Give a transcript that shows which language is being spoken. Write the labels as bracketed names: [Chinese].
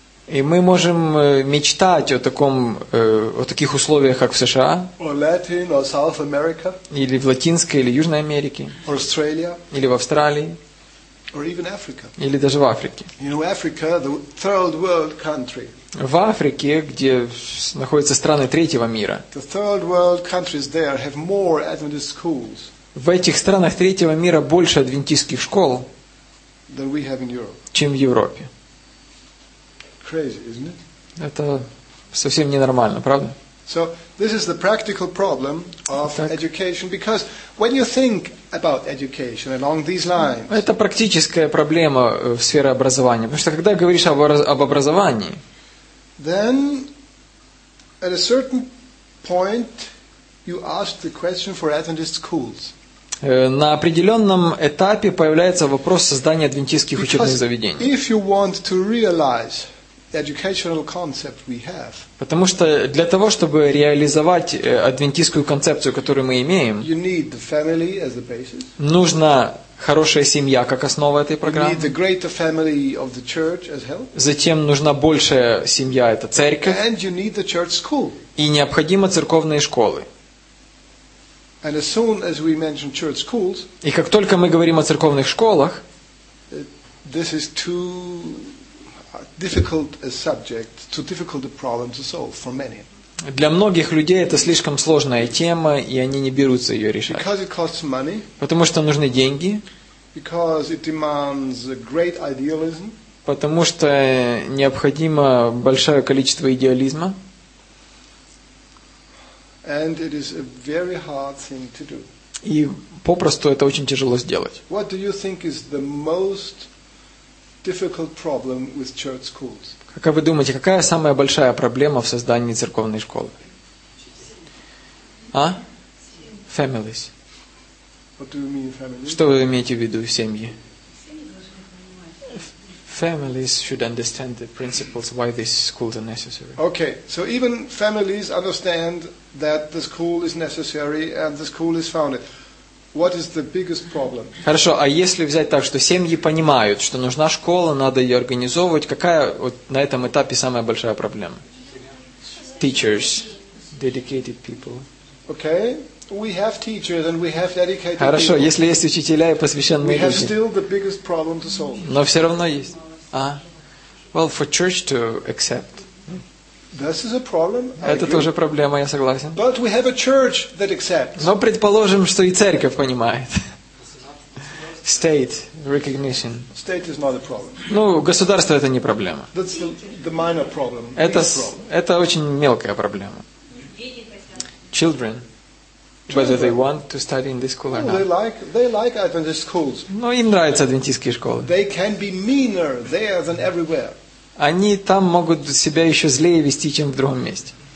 [Russian] И мы можем мечтать о таких условиях, как в США, [English] or Latin, or South America, [Russian] или в Латинской, или Южной Америке, [English] or Australia, [Russian] или в Австралии, [English] or even Africa. [Russian] Или даже в Африке. [English] You know, Africa, the third world country. [Russian] В Африке, где находятся страны третьего мира, [English] the third world countries there have more Adventist schools. [Russian] В этих странах третьего мира больше адвентистских школ, [English] than we have in Europe. [Russian] Чем в Европе. [English] Crazy, isn't it? [Russian] Это совсем ненормально, правда? [English] So this is the practical problem of education, because when you think about education along these lines, [Russian] это практическая проблема в сфере образования, потому что когда говоришь об образовании, [English] then at a certain point you ask the question for Adventist schools. [Russian] На определенном этапе появляется вопрос создания адвентистских учебных заведений. [English] If you want to realize educational concept we have. [Russian] Потому что для того, чтобы реализовать адвентистскую концепцию, которую мы имеем, [English] you need the family as the basis. [Russian] Нужна хорошая семья как основа этой программы. [English] You need the greater family of the church as help. [Russian] Затем нужна большая семья, это церковь. [English] And you need the church school. [Russian] И необходимы церковные школы. [English] And as soon as we mention church schools, [Russian] и как только мы говорим о церковных школах, [English] this is too difficult a subject, too difficult a problem to solve for many. [Russian] Для многих людей это слишком сложная тема, и они не берутся ее решать. [English] Because it costs money. [Russian] Потому что нужны деньги. [English] Because it demands a great idealism. [Russian] Потому что необходимо большое количество идеализма. [English] And it is a very hard thing to do. [Russian] И попросту это очень тяжело сделать. [English] What do you think is the most difficult problem with church schools? [Russian] Как вы думаете, какая самая большая проблема в создании церковной школы? [English] А? Families. What do you mean families? [Russian] Что вы имеете в виду в семье? [English] Families should understand the principles why these schools are necessary. Okay, so even families understand that the school is necessary and the school is founded. What is the biggest problem? [Russian] Хорошо, а если взять так, что семьи понимают, что нужна школа, надо ее организовывать, какая вот на этом этапе самая большая проблема? [English] Teachers, dedicated people. Okay, we have teachers and we have dedicated people. [Russian] Хорошо, если есть учителя и посвященные люди. [English] We have still the biggest problem to solve. [Russian] Но все равно есть. А? [English] Well, for church to accept. This is a problem. [Russian] Это тоже проблема, я согласен. [English] But we have a church that accepts. [Russian] Но предположим, что и церковь понимает. [English] State recognition. State is not a problem. [Russian] Ну, государство это не проблема. [English] That's the minor problem. [Russian] Это очень мелкая проблема. [English] Children. Whether they want to study in this school or not. They like Adventist schools. [Russian] Ну, им нравятся адвентистские школы. [English] They can be meaner there than everywhere. [Russian] Они там могут себя еще злее вести, чем в другом месте.